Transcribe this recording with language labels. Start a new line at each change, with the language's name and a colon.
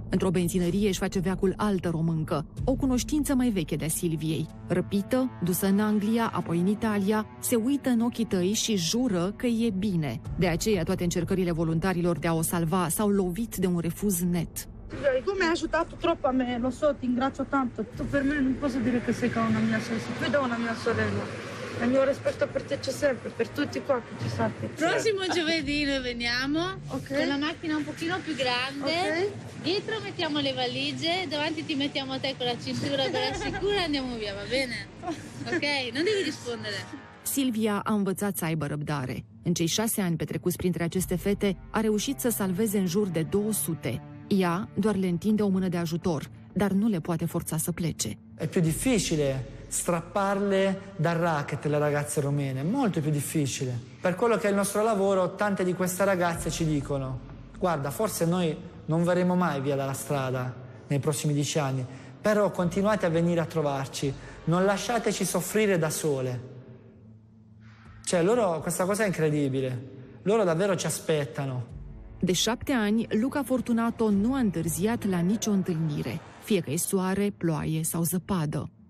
Romanian: Într-o benzinărie își face veacul altă româncă, o cunoștință mai veche de-a Silviei. Răpită, dusă în Anglia, apoi în Italia, se uită în ochii tăi și jură că e bine. De aceea toate încercările voluntarilor de a o salva s-au lovit de un refuz net. Tu mi-ai ajutat tropa mea,
Italian: lo so, ti ingrazio tanto. Tu per me non posso dire che sei come una mia sorella, fui da una mia sorella. Il mio rispetto per te c'è sempre, per tutti qua che ci state. Prossimo giovedì noi veniamo, okay, con la macchina un pochino più grande. Okay. Dietro mettiamo le valigie, davanti ti mettiamo te con la cintura per la sicura, andiamo via, va bene? Ok, non devi rispondere.
Romanian: Silvia a învățat să aibă răbdare. În cei 6 ani petrecuți printre aceste fete, a reușit să salveze în jur de 200. Ea doar le întinde o mână de ajutor, dar nu le poate forța să plece.
Italian: E più difficile strapparle dal racket le ragazze romene, molto più difficile. Per quello che è il nostro lavoro, tante di queste ragazze ci dicono: guarda, forse noi non verremo mai via dalla strada nei prossimi 10 anni, però continuate a venire a trovarci, non lasciateci soffrire da sole. Cioè, loro, questa cosa è incredibile, loro davvero ci aspettano.
Romanian: De 7 ani, Luca Fortunato nu a întârziat la nicio întâlnire, fie că e soare, ploaie sau zăpadă.